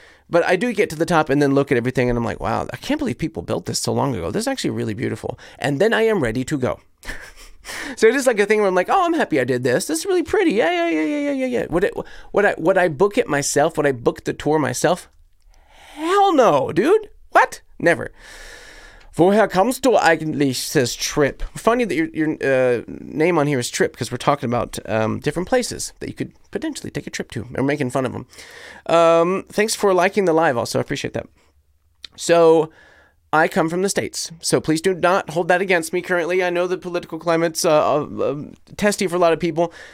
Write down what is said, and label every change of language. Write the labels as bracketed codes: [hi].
[en] But I do get to the top and then look at everything and I'm like, wow, I can't believe people built this so long ago. This is actually really beautiful. And then I am ready to go. So it is like a thing where I'm like, oh, I'm happy I did this. This is really pretty. Yeah. Would I book it myself? Would I book the tour myself? Hell no, dude. What? Never. [de] Woher kommst du eigentlich, [en] says Trip. Funny that your name on here is Trip, because we're talking about different places that you could potentially take a trip to. We're making fun of them. Thanks for liking the live also. I appreciate that. So I come from the States. So please do not hold that against me currently. I know the political climate's testy for a lot of people.